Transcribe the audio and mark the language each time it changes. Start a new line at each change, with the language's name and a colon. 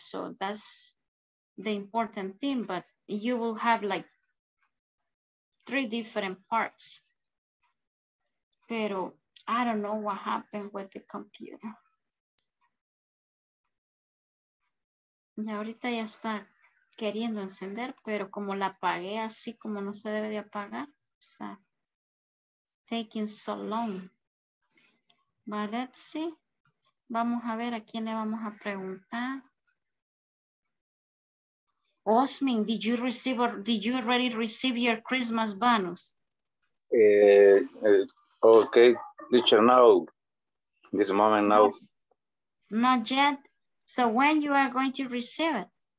English: So that's the important thing, but you will have like 3 different parts.
Spanish: Pero
English: I don't know what happened with the computer.
Spanish: Y ahorita ya está queriendo encender, pero como la apagué así como no se debe de apagar, o sea,
English: taking so long. But let's see.
Spanish: Vamos a ver a quién le vamos a preguntar.
English: Osmin, did you already receive your Christmas bonus? Okay, teacher, now, this moment now. Not yet. So when you are going to receive it?